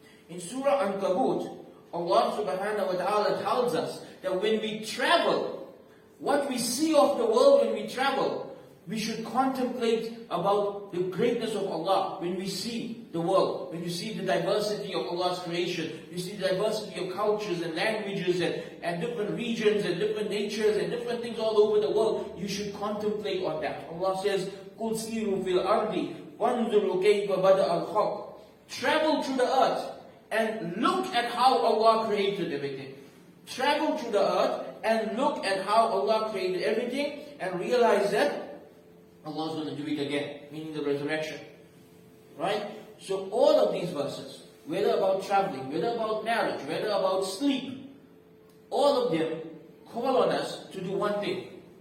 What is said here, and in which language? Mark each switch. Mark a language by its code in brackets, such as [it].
[en] In Surah An-Kabut, Allah subhanahu wa ta'ala tells us that when we travel, what we see of the world when we travel, we should contemplate about the greatness of Allah. When we see the world, when you see the diversity of Allah's creation, you see the diversity of cultures and languages and different regions and different natures and different things all over the world, you should contemplate on that. Allah says, [ar] قُلْ سِيرُوا فِي الْأَرْضِ وَانْظُرُوا كَيْفَ بَدَأَ الْخَلْقَ. [en] Travel through the earth and look at how Allah created everything. Travel through the earth and look at how Allah created everything and realize that Allah is going to do it again, meaning the resurrection. Right? So all of these verses, whether about traveling, whether about marriage, whether about sleep, all of them call on us to do one thing.